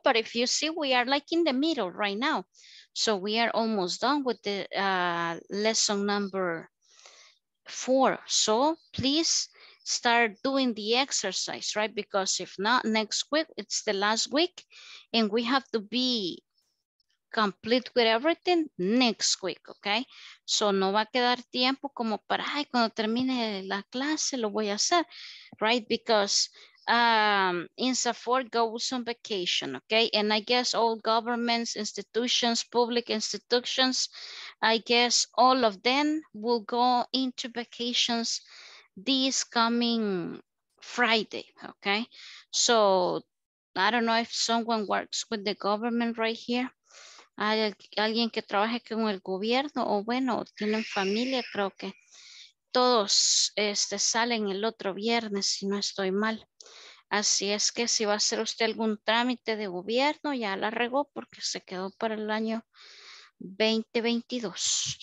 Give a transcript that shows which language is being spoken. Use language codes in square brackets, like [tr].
[en] But if you see, we are like in the middle right now. So we are almost done with the lesson number 4. So please start doing the exercise, right? Because if not, next week, it's the last week, and we have to be complete with everything next week, okay? [es] So no va a quedar tiempo como para, ay, cuando termine la clase, lo voy a hacer, right? [en] Because INSA4 goes on vacation, okay? And I guess all governments, institutions, public institutions, I guess all of them will go into vacations this coming Friday, okay? So I don't know if someone works with the government right here. [es] Hay alguien que trabaje con el gobierno o bueno, tienen familia, creo que todos salen el otro viernes, si no estoy mal. Así es que si va a hacer usted algún trámite de gobierno, ya la regó porque se quedó para el año 2022.